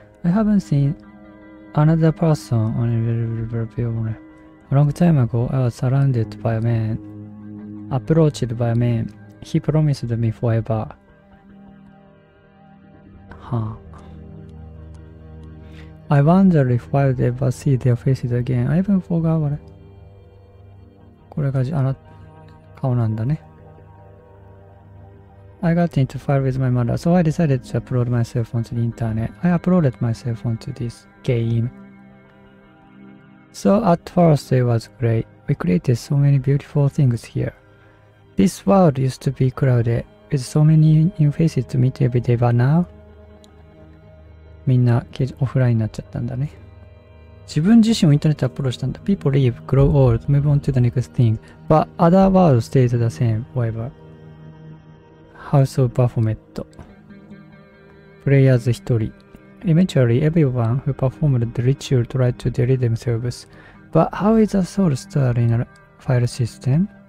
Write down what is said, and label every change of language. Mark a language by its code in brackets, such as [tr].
[en] I haven't seen another person on a long time ago. I was surrounded by a man. Approached by a man. He promised me forever. Huh. I wonder if I'll ever see their faces again. I even forgot what I... [ja] これがあの顔なんだね。 [en] I got into a fight with my mother, so I decided to upload myself onto the internet. I uploaded myself onto this game. So at first it was great. We created so many beautiful things here. This world used to be crowded with so many new faces to meet every day, but now... [ja] みんなオフラインになっちゃったんだね。自分自身をインターネットアップロードしたんだ。 [en] People leave, grow old, move on to the next thing. But other world stays the same, whatever. House of Baphomet. Players [ja] 一人。 [en] Eventually, everyone who performed the ritual tried to delete themselves. But how is a soul stored in a file system?